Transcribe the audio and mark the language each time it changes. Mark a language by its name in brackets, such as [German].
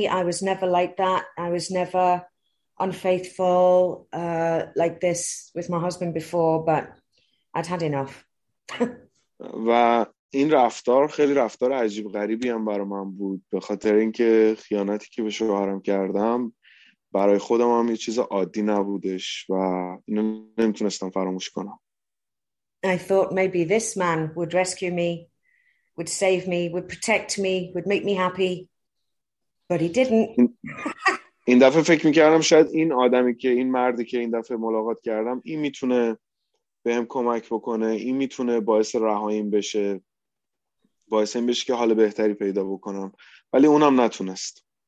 [English] I was never like that. I was never unfaithful like this with my husband before, but I'd had enough. [Persian] و این رفتار خیلی رفتار عجیب غریبی هم برای من بود، به خاطر اینکه خیانتی که به شوهرم کردم برای خودم هم یه چیز عادی نبودش و اینو نمیتونستم فراموش کنم. [English] I thought maybe this man would rescue me, would save me, would protect me, would make me happy, but he didn't. [Persian] این دفعه فکر میکردم شاید این آدمی که این مردی که این دفعه ملاقات کردم، این میتونه بهم کمک بکنه. این میتونه باعث رهاییم بشه، باعث این بشه که حال بهتری پیدا بکنم، ولی اونم نتونست.